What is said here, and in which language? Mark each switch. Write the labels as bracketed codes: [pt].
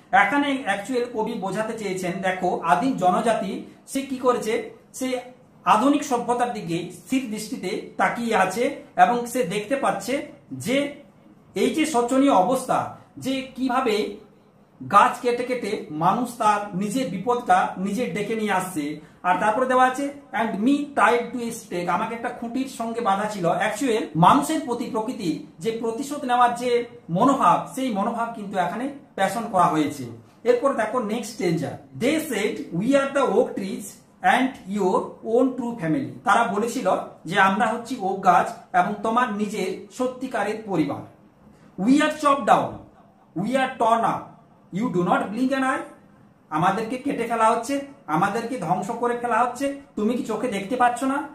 [bn] এখানে অ্যাকচুয়াল কবি বোঝাতে চেয়েছেন, দেখো আদিম জনজাতি সে কি করেছে, সে আধুনিক সভ্যতার দিকে স্থির দৃষ্টিতে তাকিয়ে আছে এবং সে দেখতে পাচ্ছে যে এই যে শোচনীয় অবস্থা, যে কিভাবে গাছ কেটে কেটে মানুষ তার নিজের বিপদটা নিজের ডেকে নিয়ে আসছে। আর তারপরে দেওয়া আছে [en] and me tied to a stake, [bn] আমাকে একটা খুঁটির সঙ্গে বাঁধা ছিল। অ্যাকচুয়াল মানুষের প্রতি প্রকৃতি যে প্রতিশোধ নেওয়ার যে মনোভাব, সেই মনোভাব কিন্তু এখানে প্যাশন করা হয়েছে। এরপর দেখো next stanza, [en] They said we are the oak trees and your own true family. [bn] তারা বলেছিল যে আমরা হচ্ছি ওক গাছ এবং তোমার নিজের সত্যিকারের পরিবার. [en] We are chopped down. We are torn up. You do not blink an eye. [bn] আমাদেরকে কেটে ফেলা হচ্ছে, আমাদেরকে ধ্বংস করে ফেলা হচ্ছে, তুমি কি চোখে দেখতে পাচ্ছ না?